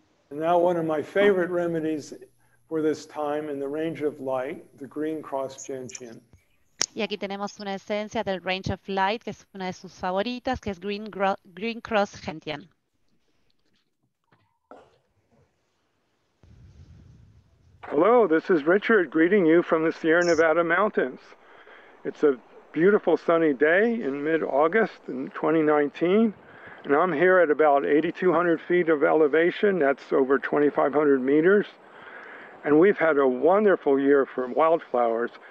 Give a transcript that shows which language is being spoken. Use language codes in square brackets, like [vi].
[en] Now one of my favorite remedies for this time in the range of light, the green cross gentian. [es] Y aquí tenemos una esencia del Range of Light, que es una de sus favoritas, que es Green Cross Gentian. [en] Hello, this is Richard greeting you from the Sierra Nevada mountains. It's a beautiful sunny day in mid-August in 2019, and I'm here at about 8,200 feet of elevation. That's over 2,500 meters. And we've had a wonderful year for wildflowers.